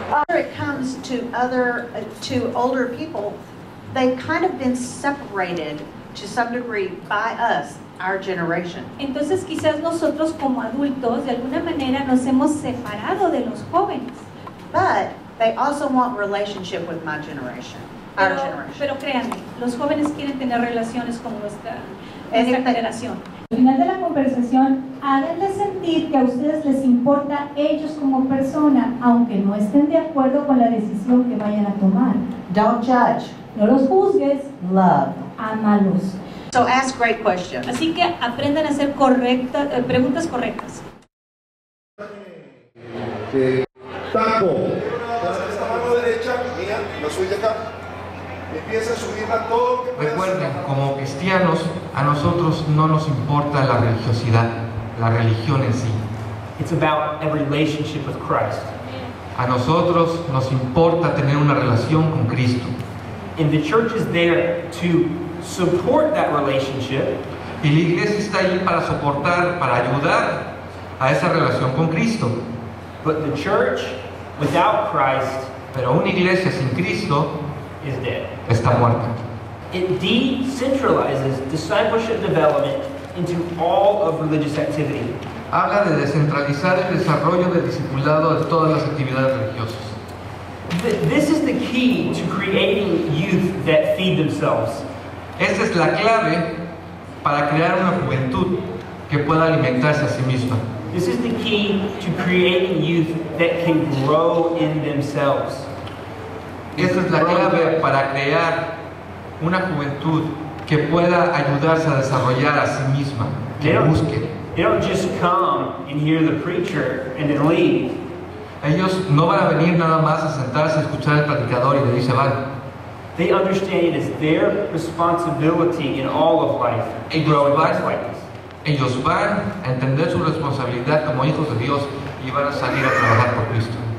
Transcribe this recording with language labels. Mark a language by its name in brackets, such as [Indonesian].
[English] It comes to other to older people, they've kind of been separated to some degree by us, our generation. [Spanish] Entonces quizás nosotros como adultos de alguna manera nos hemos separado de los jóvenes. [English] But they also want relationship with my generation, our generation. [Spanish] Pero créanme, los jóvenes quieren tener relaciones con nuestra generación. Al final de la conversación, háganle sentir que a ustedes les importa ellos como persona, aunque no estén de acuerdo con la decisión que vayan a tomar. [English] Don't judge. [Spanish] No los juzgues. [English] Love. [Spanish] Ámalos. [English] So ask great questions. [Spanish] Así que aprendan a hacer preguntas correctas. Taco. Pasa esta mano derecha, mira. la suya acá. Empieza a subirla todo lo que puedas. Recuerden, como cristianos, a nosotros no nos importa la religiosidad, la religión en sí. [English] It's about a relationship with Christ. [Spanish] A nosotros nos importa tener una relación con Cristo. [English] And the church is there to support that relationship. [Spanish] Y la iglesia está ahí para soportar, para ayudar a esa relación con Cristo. [English] But the church without Christ, [Spanish] pero una iglesia sin Cristo, [English] is dead. [Spanish] Está muerta. [English] It decentralizes discipleship development into all of religious activity. [Spanish] Habla de descentralizar el desarrollo del discipulado de todas las actividades religiosas. [English] This is the key to creating youth that feed themselves. [Spanish] Esta es la clave para crear una juventud que pueda alimentarse a sí misma. [English] This is the key to creating youth that can grow in themselves. [Spanish] Esta es la clave para crear una juventud que pueda ayudarse a desarrollar a sí misma, que busque. [English] They don't just come and hear the preacher and then leave. [Spanish] Ellos no van a venir nada más a sentarse a escuchar al predicador y de ahí se van. [English] They understand it is their responsibility in all of life to grow in Christ's likeness. [Spanish] Ellos van a entender su responsabilidad como hijos de Dios y van a salir a trabajar por Cristo.